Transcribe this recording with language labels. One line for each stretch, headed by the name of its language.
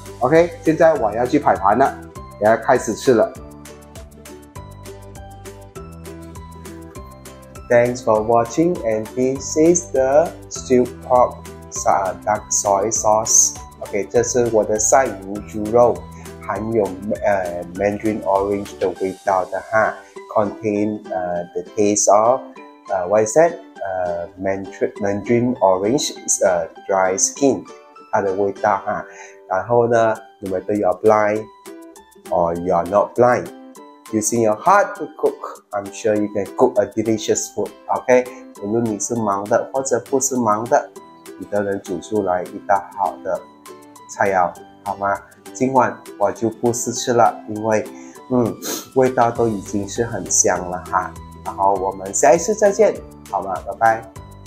Chinese: OK， 现在我要去摆盘了，也要开始吃了。
English: Thanks for watching, and this is the stew pork. Dark soy sauce.
Chinese: Okay, 这是我的鳝鱼猪肉，含有mandarin orange 的味道的哈。
English: Contain the taste of what is that? Mandarin orange dry skin，
Chinese: 它的味道哈。
English: 然后呢 ，no matter you're blind or you're not blind, using your heart to cook, I'm sure you can cook a delicious food.
Chinese: Okay， 无论你是盲的或者不是盲的。你都能煮出来一道好的菜肴，好吗？今晚我就不试吃了，因为，味道都已经是很香了哈。然后我们下一次再见，好吗？拜拜。